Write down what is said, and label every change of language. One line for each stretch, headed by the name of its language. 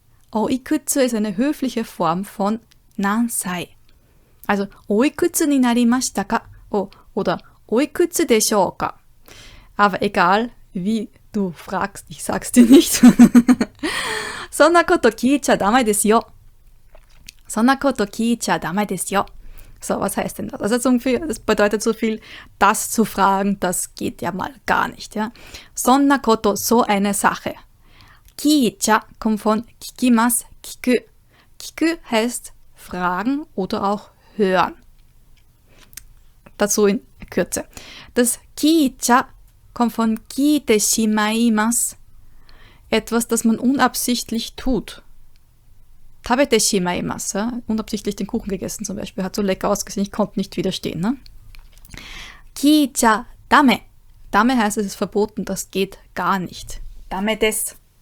German: Oikutsu ist eine höfliche Form von nansai.
Japanese: Also, oikutsu ni narimashita ka? Oder oikutsu deshou ka?
German: Aber egal, wie du fragst, ich sag's dir nicht.
Japanese: Sonna koto kiicha damai desu yo. そんなこと聞いちゃダメですよ。
German: So, was heißt denn das? Also, das bedeutet so viel, das zu fragen, das geht ja mal gar nicht. Ja?
Japanese: そんなこと、
German: so eine Sache.
Japanese: 聞いちゃ
German: kommt von
Japanese: 聞きます、聞く。聞く
German: heißt fragen oder auch hören. Dazu in Kürze. Das
Japanese: 聞いちゃ
German: kommt von
Japanese: 聞いてしまいます。
German: Etwas, das man unabsichtlich tut.
Japanese: Tabete shimaimasu,
German: unabsichtlich den Kuchen gegessen zum Beispiel, hat so lecker ausgesehen, ich konnte nicht widerstehen.
Japanese: Ne? Kiicha dame.
German: Dame heißt, es ist verboten, das geht gar nicht.
Japanese: Dame des.